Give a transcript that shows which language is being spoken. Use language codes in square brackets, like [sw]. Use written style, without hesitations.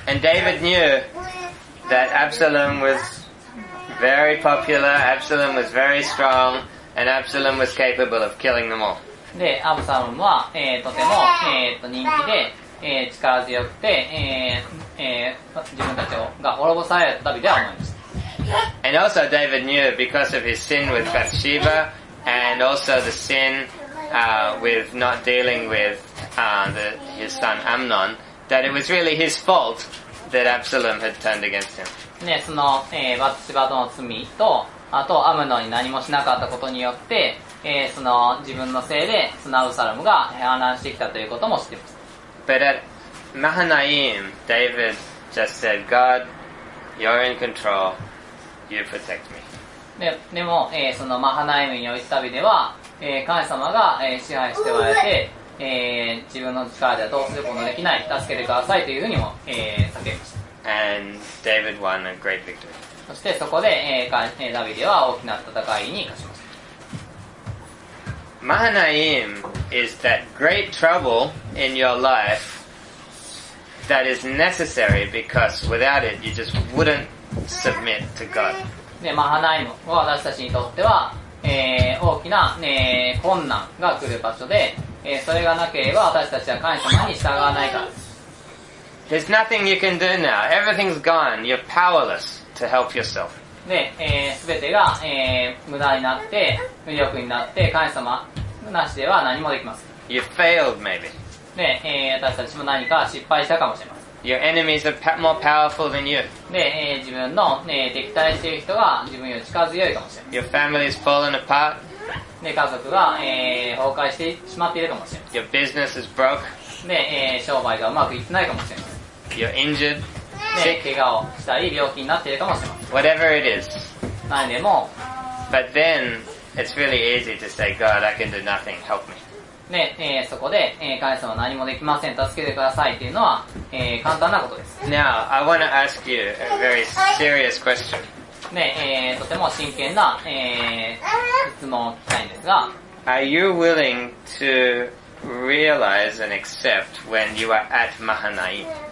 [en] And David knew,That Absalom was very popular, Absalom was very strong, and Absalom was capable of killing them all. [ja] で、アブサロムは、とても、人気で、力強くて、自分たちが滅ぼされたダビデは思いました。 [en] And also David knew because of his sin with Bathsheba, and also the sin, with not dealing with, his son Amnon, that it was really his fault. That Absalom had turned against him. [ja] ね、その、バツシバとの罪と、あと、アムノに何もしなかったことによって、その、自分のせいで、そのアブサラムが反乱してきたということも知っています。 [en] But at Mahanaim, David just said, God, you're in control, you protect me. [ja] でも、そのマハナイムにおいた旅では、神様が、支配しておられて、自分の力ではどうすることもできない、助けてくださいというふうにも、叫びました。 [en] And David won a great victory. [ja] そしてそこで、ダビデは大きな戦いに勝ちました。 [en] Mahanaim is that great trouble in your life that is necessary because without it you just wouldn't submit to God. [ja] Mahanaim は私たちにとっては、大きな、困難が来る場所で、それがなければ私たちは神様に従わないからです。 [en] There's nothing you can do now. Everything's gone. You're powerless to help yourself. [ja] で、全てが、無駄になって無力になって神様なしでは何もできません。 [en] You failed maybe. [ja] で、私たちも何か失敗したかもしれません。 [en] Your enemies are more powerful than you. [ja] で、自分の、敵対している人が自分より力強いかもしれません。 [en] Your family is falling apart. [ja] で、家族が、崩壊してしまっているかもしれません。 [en] Your business is broke. [ja] で、商売がうまくいってないかもしれません。 [en] You're injured. [ja] 怪我をしたり病気になっているかもしれません。 [en] Whatever it is. [ja] 何でも。 [en] But then it's really easy to say, God, I can do nothing. Help me. [ja] で、そこで、神様何もできません、助けてくださいというのは、簡単なことです。 [en] Now I want to ask you a very serious question. [ja] で、とても真剣な、質問を聞きたいんですが、 [en] Are you willing to realize and accept when you are at Mahanaim?